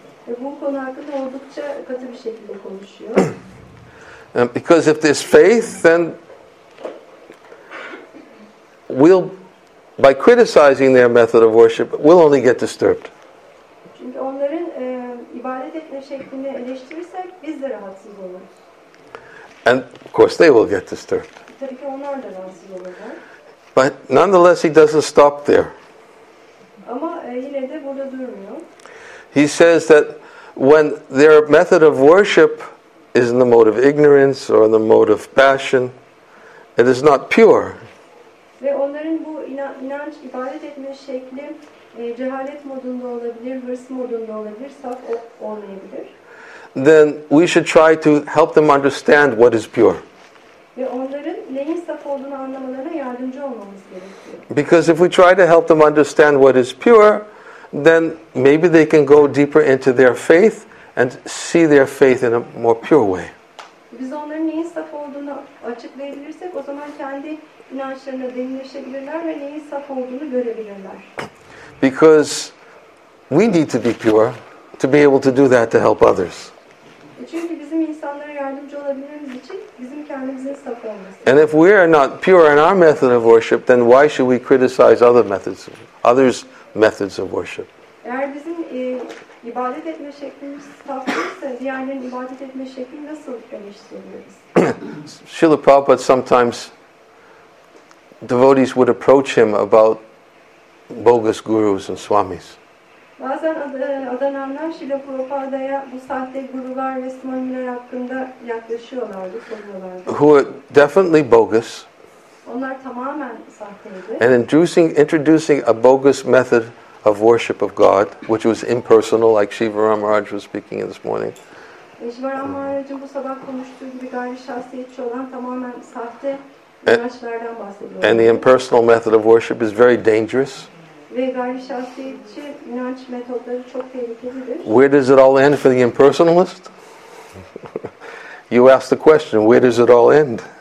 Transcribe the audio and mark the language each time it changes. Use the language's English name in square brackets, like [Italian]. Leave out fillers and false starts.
[Turkish] Bu konu hakkında oldukça katı bir şekilde konuşuyor. [English] Because if there's faith, then we'll, by criticizing their method of worship, we'll only get disturbed. [Turkish] Çünkü onların ibadet etme şeklini eleştirirsek biz de rahatsız oluruz. [English] And of course they will get disturbed. [Turkish] Tabii ki onlar da rahatsız olurlar. [English] But nonetheless he doesn't stop there. [Turkish] Ama yine de burada durmuyor. [English] He says that when their method of worship is in the mode of ignorance or in the mode of passion, it is not pure. [Turkish] Ve onların bu inanç ibadet etme şekli cehalet modunda olabilir, hırs modunda olabilir, saf olmayabilir. [English] Then we should try to help them understand what is pure. [Turkish] Ve onların neyin saf olduğunu anlamalarına yardımcı olmamız gerekiyor. [English] Because if we try to help them understand what is pure, then maybe they can go deeper into their faith and see their faith in a more pure way. [Turkish] Biz onların neyin saf olduğunu açıklayabilirsek o zaman kendi inançlarına derinleşebilirler ve neyin saf olduğunu görebilirler. [English] Because we need to be pure to be able to do that to help others. [Turkish] Çünkü bizim insanlara yardımcı olabilmemiz için bizim kendimizin saf olması. [English] And if we are not pure in our method of worship, then why should we criticize others' methods of worship? [Turkish] Eğer bizim ibadet etme şeklimiz farklıysa diğerlerin ibadet etme şeklini nasıl değiştiriyoruz? [English] Srila Prabhupada sometimes devotees would approach him about bogus gurus and swamis. [Turkish] Bazen adananlar Srila Prabhupada'ya bu sahte gurular ve swamiler hakkında yaklaşıyorlardı, soruyorlardı. [English] Who are definitely bogus. [Turkish] Onlar tamamen sahteydi. [English] And introducing a bogus method of worship of God, which was impersonal, like Shiva Ramaraj was speaking this morning. [Turkish] Shiva Ramaraj'ın bu sabah konuştuğu gibi gayri şahsiyetçi olan tamamen sahte inançlardan bahsediyor. [English] And the impersonal method of worship is very dangerous. [Turkish] Ve gayri şahsiyetçi inanç metodları çok tehlikelidir. [English] Where does it all end for the impersonalist? You ask the question, where does it all end?